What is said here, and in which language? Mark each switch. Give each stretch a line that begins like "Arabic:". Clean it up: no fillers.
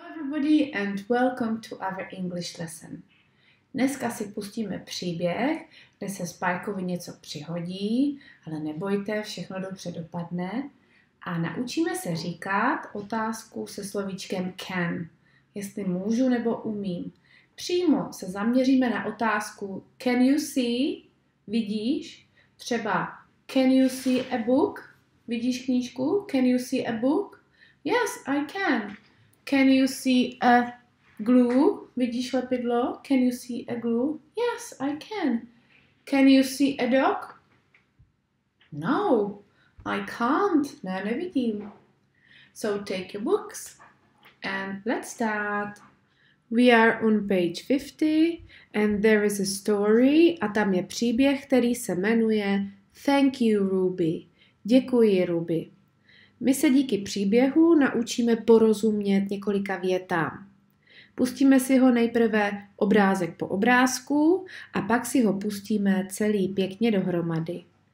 English: Everybody and welcome to our English lesson.
Czech: Dneska si pustíme příběh, kde se Spikeovi něco přihodí, ale nebojte, všechno dobře dopadne. A naučíme se říkat otázku se slovíčkem can, jestli můžu nebo umím. Přímo se zaměříme na otázku
English: can you see,
Czech: vidíš, třeba
English: can you see a book,
Czech: vidíš knížku,
English: can you see a book, yes, I can. Can you see a glue?
Czech: Vidíš lepidlo?
English: Can you see a glue? Yes, I can. Can you see a dog? No, I can't.
Czech: Ne, nevidím.
English: So take your books and let's start. We are on page 50 and there is a story
Czech: a tam je příběh, který se jmenuje
English: Thank you, Ruby.
Czech: Děkuji, Ruby. My se díky příběhu naučíme porozumět několika větám. Pustíme si ho nejprve obrázek po obrázku a pak si ho pustíme celý pěkně dohromady.